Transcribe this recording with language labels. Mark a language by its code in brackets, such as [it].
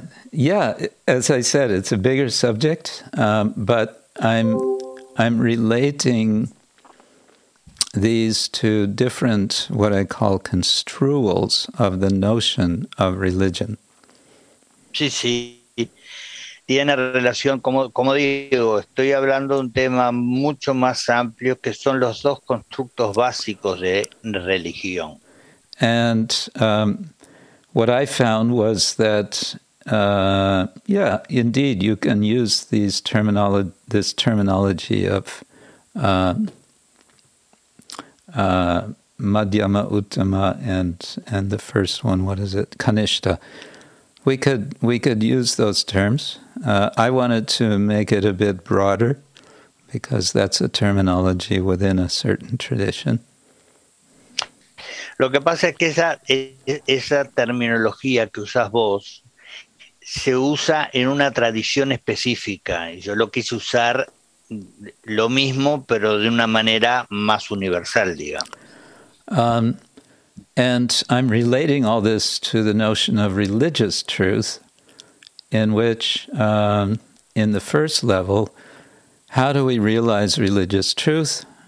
[en] Yeah, as I said, it's a bigger subject, but I'm relating these to different, what I call, construals of the notion of religion. [es] Sí, sí. Tiene relación, como digo, estoy hablando de un tema mucho más amplio, que son los dos constructos básicos de religión. [en] And what I found was that, yeah, indeed, you can use these this terminology of Madhyama Uttama and the first one, what is it, Kanishta. We could use those terms. I wanted to make it a bit broader, because that's a terminology within a certain tradition. [es] Lo que pasa es que esa terminología que usas vos se usa en una tradición específica. Yo lo quise usar lo mismo, pero de una manera más universal, digamos. [en] And I'm relating all this to the notion of religious truth, in which, in the first level, how do we realize religious truth?